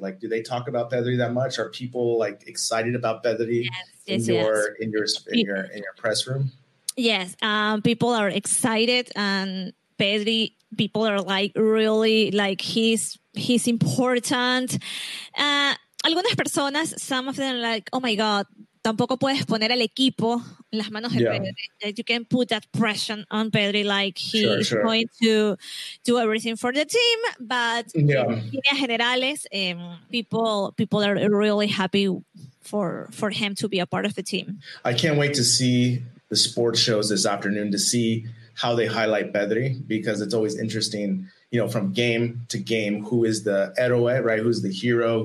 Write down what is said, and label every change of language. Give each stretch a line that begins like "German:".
English: Like, do they talk about Pedri that much? Are people like excited about Pedri in your press room? Yes, people are excited, and Pedri, people are like really like he's important.
Spanish: Algunas personas,
English: some of them are like, oh my god,
Spanish: tampoco puedes poner al equipo en las manos de Pedri.
English: You can put that pressure on Pedri, like he is going to do everything for the team. But in
Spanish: líneas generales,
English: people are really happy for him to be a part of the team. I can't wait to see the sports shows this afternoon to see how they highlight Pedri, because it's always interesting, you know, from game to game, who is the héroe, right? Who's the hero?